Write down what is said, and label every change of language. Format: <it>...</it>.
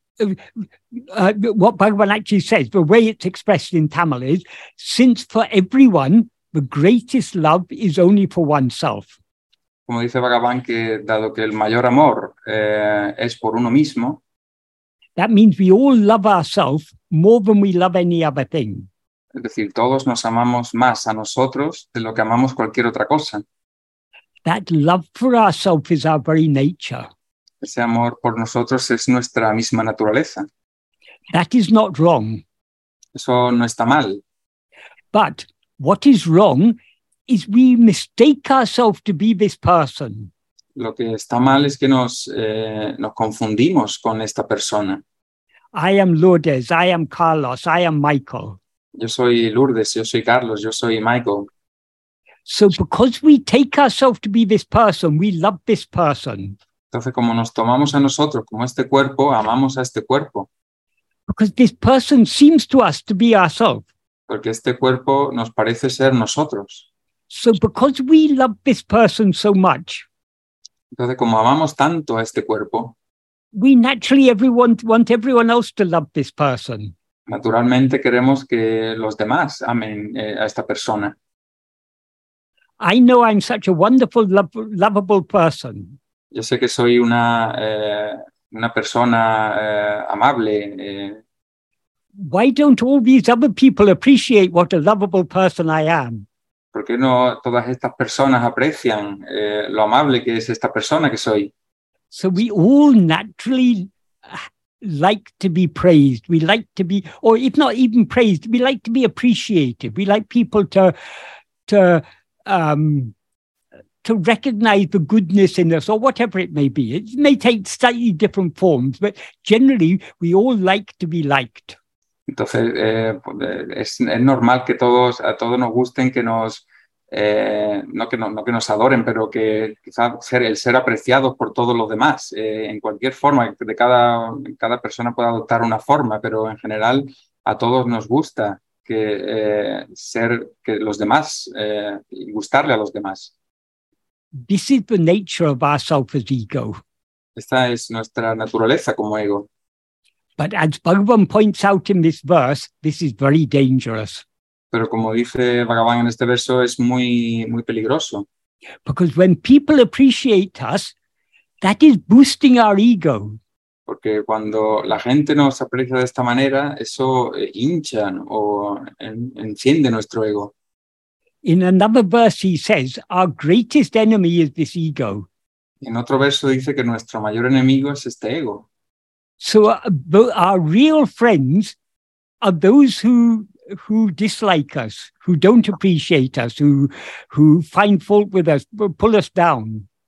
<en>What Bhagavan actually says, the way it's expressed in Tamil is, since for everyone, the greatest love is only for oneself.</en> <es>Como dice Bhagavan, que dado que el mayor amor es por uno mismo.</es> <en>That means we all love ourselves more than we love any other thing.</en> <es>Es decir, todos nos amamos más a nosotros de lo que amamos cualquier otra cosa.</es> <en>That love for ourselves is our very nature.</en> <es>Ese amor por nosotros es nuestra misma naturaleza.</es> <en>That is not wrong.</en> <es>Eso no está mal.</es> <en>But what is wrong is we mistake ourselves to be this person.</en> <es>Lo que está mal es que nos confundimos con esta persona.</es> <en>I am Lourdes, I am Carlos, I am Michael.</en> <es>Yo soy Lourdes, yo soy Carlos, yo soy Michael.</es> <en>So because we take ourselves to be this person, we love this person.</en> <es>Entonces, como nos tomamos a nosotros como este cuerpo, amamos a este cuerpo.</es> <en>Because this person seems to us to be ourselves.</en> <es>Porque este cuerpo nos parece ser nosotros.</es> <en>So because we love this person so much.</en> <es>Entonces, como amamos tanto a este cuerpo.</es> <en>We naturally everyone want everyone else to love this person.</en> <es>Naturalmente queremos que los demás amen a esta persona.</es> <en>I know I'm such a wonderful, lovable person.</en> <es>Yo sé que soy una persona amable.</es> <en>Why don't all these other people appreciate what a lovable person I am?</en> <es>¿Por qué no todas estas personas aprecian lo amable que es esta persona que soy?</es> <en>So we all naturally like to be praised. We like to be, or if not even praised, we like to be appreciated. We like people to recognize the goodness in us, or whatever it may be. It may take slightly different forms, but generally, we all like to be liked.</en> <es>Entonces, es normal que a todos nos gusten, que nos que nos adoren, pero que quizás ser apreciados por todos los demás, en cualquier forma, de cada persona pueda adoptar una forma, pero en general, a todos nos gusta gustarle a los demás.</es> <en>This is the nature of ourself as ego.</en> <es>Esta es nuestra naturaleza como ego.</es> <en>But as Bhagavan points out in this verse, this is very dangerous.</en> <es>Pero como dice Bhagavan en este verso, es muy, muy peligroso.</es> <en>Because when people appreciate us, that is boosting our ego.</en> <es>Porque cuando la gente nos aprecia de esta manera, eso hincha o enciende nuestro ego.</es> <en>In another verse he says, our greatest enemy is this ego.</en> <es>En otro verso dice que nuestro mayor enemigo es este ego.</es> <en>So our real friends are those who dislike us, who don't appreciate us, who find fault with us, pull us down.</en>